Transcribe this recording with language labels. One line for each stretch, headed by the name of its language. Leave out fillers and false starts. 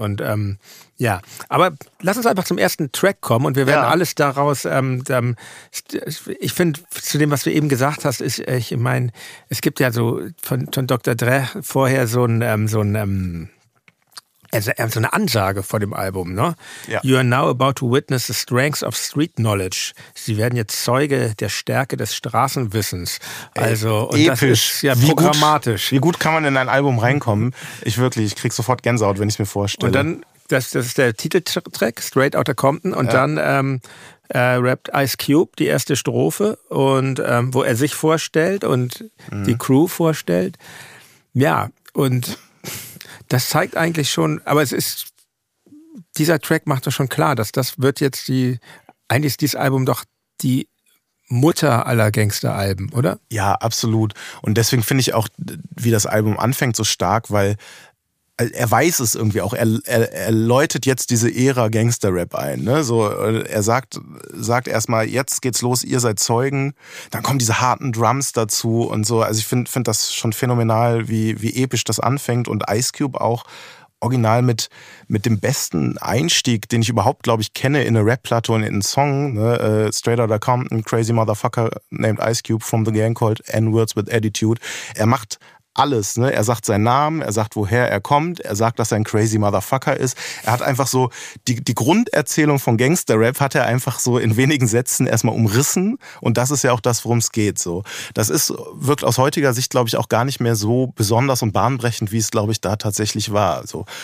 German: Und aber lass uns einfach zum ersten Track kommen und wir werden alles daraus, ich finde, zu dem, was du eben gesagt hast, ist, ich meine, es gibt ja so von Dr. Dre vorher so eine Ansage vor dem Album, ne? Ja.
English: You are now about to witness the strength of street knowledge.
German: Sie werden jetzt Zeuge der Stärke des Straßenwissens. Also, episch. Das ist ja programmatisch. Wie gut kann man in ein Album reinkommen? Ich krieg sofort Gänsehaut, wenn ich es mir vorstelle. Und dann, das ist der Titeltrack, Straight Outta Compton. Und dann rappt Ice Cube die erste Strophe, und wo er sich vorstellt und die Crew vorstellt. Ja, und... Das zeigt eigentlich schon, aber es ist, dieser Track macht doch schon klar, dass das wird jetzt die, eigentlich ist dieses Album doch die Mutter aller Gangster-Alben, oder? Ja, absolut. Und deswegen finde ich auch, wie das Album anfängt, so stark, weil er weiß es irgendwie auch. Er läutet jetzt diese Ära Gangster-Rap ein, ne? So, er sagt erstmal, jetzt geht's los, ihr seid Zeugen. Dann kommen diese harten Drums dazu und so. Also ich finde das schon phänomenal, wie episch das anfängt. Und Ice Cube auch original mit dem besten Einstieg, den ich überhaupt, glaube ich, kenne in eine Rap-Platte und in einen Song, ne?
English: Straight Outta Compton, crazy motherfucker named Ice Cube from the gang called N-Words with Attitude.
German: Er macht alles, ne? Er sagt seinen Namen, er sagt, woher er kommt, er sagt, dass er ein
English: crazy motherfucker
German: ist. Er hat einfach so, die Grunderzählung von Gangster-Rap hat er einfach so in wenigen Sätzen erstmal umrissen. Und das ist ja auch das, worum es geht, so. Das ist, wirkt aus heutiger Sicht, glaube ich, auch gar nicht mehr so besonders und bahnbrechend, wie es, glaube ich, da tatsächlich war, so.